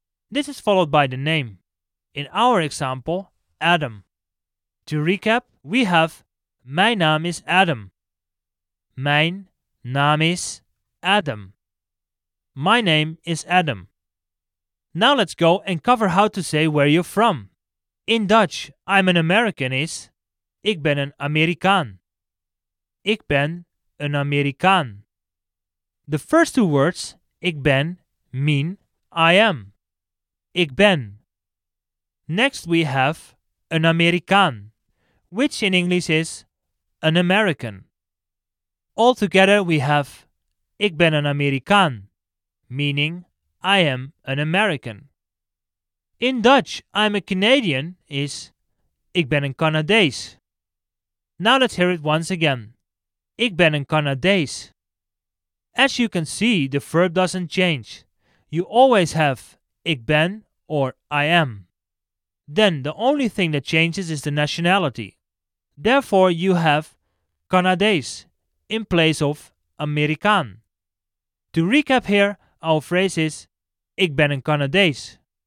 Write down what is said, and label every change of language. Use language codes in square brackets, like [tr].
[en] This is followed by the name. In our example, Adam. To recap, we have [nl] Mijn naam is Adam. Mijn naam is Adam. [en] My name is Adam. Now let's go and cover how to say where you're from. In Dutch, I'm an American is [nl] Ik ben een Amerikaan. Ik ben een Amerikaan. [en] The first two words, [nl] Ik ben, [en] mean I am. Ik ben. Next we have [nl] een Amerikaan, [en] which in English is an American. Altogether we have [nl] Ik ben een Amerikaan, [en] meaning I am an American. In Dutch, I'm a Canadian is [nl] Ik ben een Canadees. [en] Now let's hear it once again. [nl] Ik ben een Canadees. [en] As you can see, the verb doesn't change. You always have [nl] Ik ben [en] or I am. Then the only thing that changes is the nationality. Therefore, you have Canadees in place of Amerikaan. To recap here, our phrase is [nl] Ik ben een Canadees.